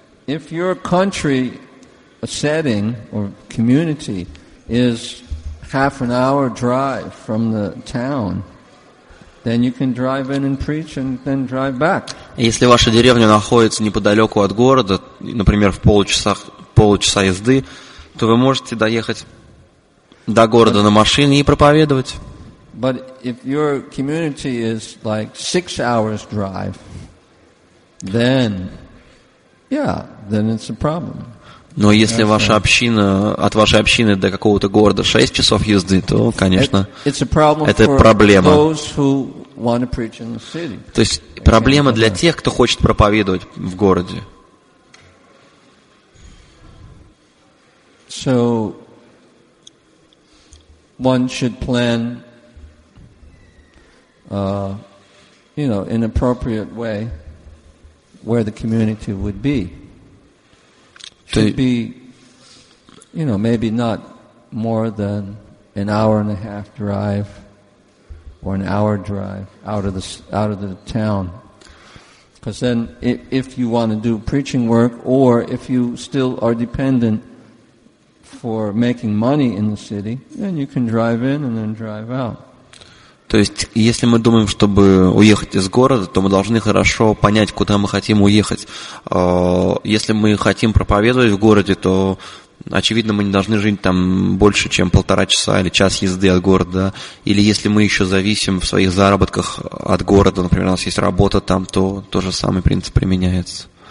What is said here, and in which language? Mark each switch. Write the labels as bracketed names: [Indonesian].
[English] If your country, a setting or community, is half an hour drive from the town, then you can drive in and preach and then drive back. [Russian] Если ваша деревня находится неподалеку от города, например, в полчаса езды, то вы можете доехать до города на машине и проповедовать. [English] But if your community is like 6 hours drive, then, yeah, then it's a problem. [Russian] Но если ваша община, от вашей общины до какого-то города 6 часов езды, то, конечно, это проблема. То есть проблема для тех, кто хочет проповедовать в городе. [English] So one should plan in appropriate way where the community would be. Should be, maybe not more than an hour and a half drive or an hour drive out of the town. Because then if you want to do preaching work, or if you still are dependent for making money in the city, then you can drive in and then drive out. [Russian] То есть, если мы думаем, чтобы уехать из города, то мы должны хорошо понять, куда мы хотим уехать. Если мы хотим проповедовать в городе, то, очевидно, мы не должны жить там больше, чем полтора часа или час езды от города. Или если мы еще зависим в своих заработках от города, например, у нас есть работа там, то тот же самый принцип применяется.